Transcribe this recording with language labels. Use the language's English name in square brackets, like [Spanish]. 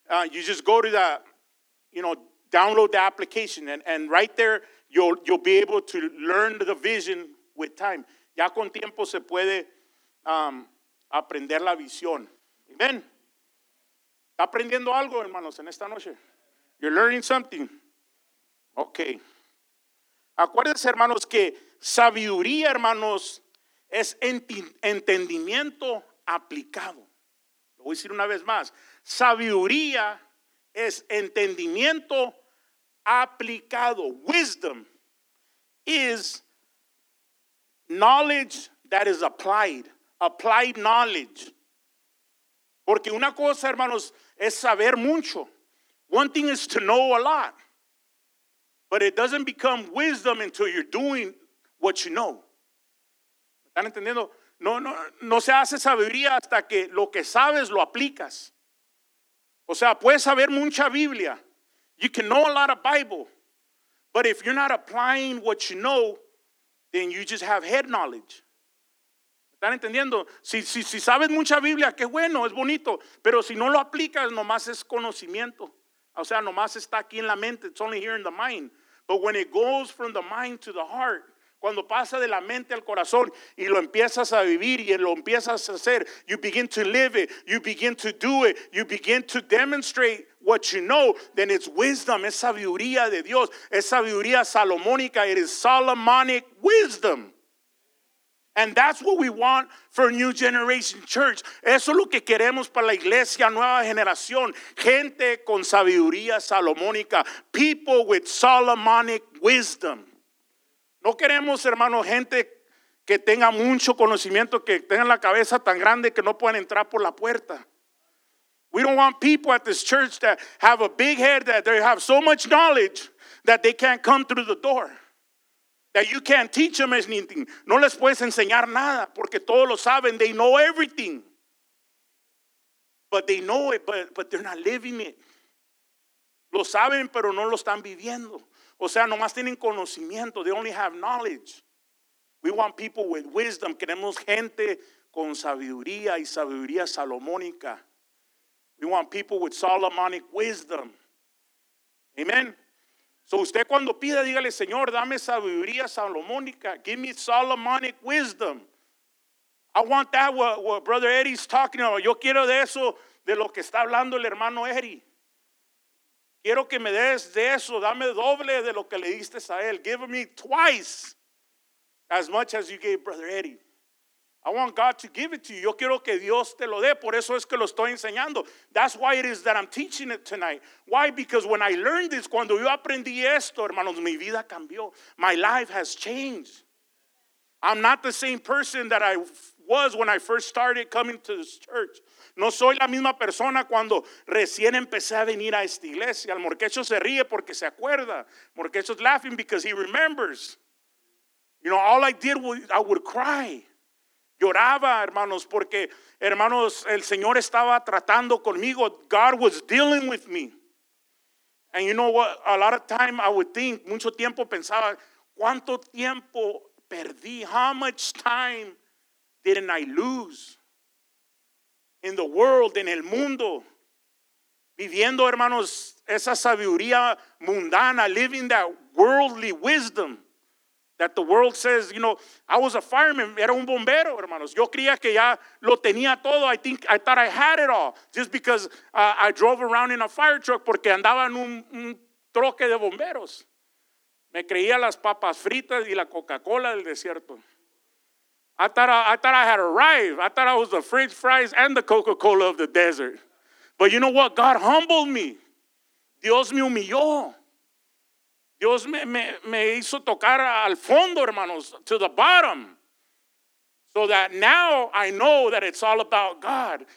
[English] You just go to that, you know, download the application. And right there, you'll be able to learn the vision with time. [Spanish] Ya con tiempo se puede aprender la visión. Amen. ¿Está aprendiendo algo, hermanos, en esta noche? [English] You're learning something. Okay. [Spanish] Acuérdense, hermanos, que sabiduría, hermanos, es entendimiento aplicado. Lo voy a decir una vez más. Sabiduría es entendimiento aplicado. [English] Wisdom is knowledge that is applied. Applied knowledge. [Spanish] Porque una cosa, hermanos, es saber mucho. [English] One thing is to know a lot. But it doesn't become wisdom until you're doing what you know. [Spanish] ¿Están entendiendo? No se hace sabiduría hasta que lo que sabes lo aplicas. O sea, puedes saber mucha Biblia. [English] You can know a lot of Bible. But if you're not applying what you know, then you just have head knowledge. [Spanish] ¿Están entendiendo? Si sabes mucha Biblia, qué bueno, es bonito. Pero si no lo aplicas, nomás es conocimiento. O sea, nomás está aquí en la mente. [English] It's only here in the mind. But when it goes from the mind to the heart, [Spanish] cuando pasa de la mente al corazón y lo empiezas a vivir y lo empiezas a hacer, [English] you begin to live it, you begin to do it, you begin to demonstrate what you know, then it's wisdom, [Spanish] es sabiduría de Dios, es sabiduría salomónica, [English] it is Solomonic wisdom. And that's what we want for New Generation Church. [Spanish] Eso es lo que queremos para la iglesia nueva generación. Gente con sabiduría salomónica. [English] People with Solomonic wisdom. [Spanish] No queremos, hermano, gente que tenga mucho conocimiento, que tenga la cabeza tan grande que no pueden entrar por la puerta. [English] We don't want people at this church that have a big head, that they have so much knowledge that they can't come through the door. That you can't teach them anything. [Spanish] No les puedes enseñar nada. Porque todos lo saben. [English] They know everything. But they know it. But they're not living it. [Spanish] Lo saben pero no lo están viviendo. O sea, nomás tienen conocimiento. [English] They only have knowledge. We want people with wisdom. [Spanish] Queremos gente con sabiduría. Y sabiduría salomónica. [English] We want people with Solomonic wisdom. Amen. [Spanish] So usted cuando pida, dígale, Señor, dame sabiduría salomónica. [English] Give me Solomonic wisdom. I want that, what Brother Eddie's talking about. [Spanish] Yo quiero de eso, de lo que está hablando el hermano Eddie. Quiero que me des de eso. Dame doble de lo que le diste a él. [English] Give me twice as much as you gave Brother Eddie. I want God to give it to you. [Spanish] Yo quiero que Dios te lo dé. Por eso es que lo estoy enseñando. [English] That's why it is that I'm teaching it tonight. Why? Because when I learned this, [Spanish] cuando yo aprendí esto, hermanos, mi vida cambió. [English] My life has changed. I'm not the same person that I was when I first started coming to this church. [Spanish] No soy la misma persona cuando recién empecé a venir a esta iglesia. El Morquecho se ríe porque se acuerda. [English] Morquecho's laughing because he remembers. You know, all I did was I would cry. [Spanish] Lloraba, hermanos, porque, hermanos, el Señor estaba tratando conmigo. [English] God was dealing with me. And you know what? A lot of time I would think, [Spanish] mucho tiempo pensaba, ¿cuánto tiempo perdí? [English] How much time didn't I lose in the world, [Spanish] en el mundo? Viviendo, hermanos, esa sabiduría mundana, [English] living that worldly wisdom. That the world says, you know, I was a fireman, [Spanish] era un bombero, hermanos. Yo creía que ya lo tenía todo. [English] I thought I had it all. Just because I drove around in a fire truck, [Spanish] porque andaba en un troque de bomberos. Me creía las papas fritas y la Coca-Cola del desierto. [English] I thought I had arrived. I thought I was the French fries and the Coca-Cola of the desert. But you know what? God humbled me. [Spanish] Dios me humilló. Dios me hizo tocar al fondo, hermanos, [English] to the bottom. So that now I know that it's all about God.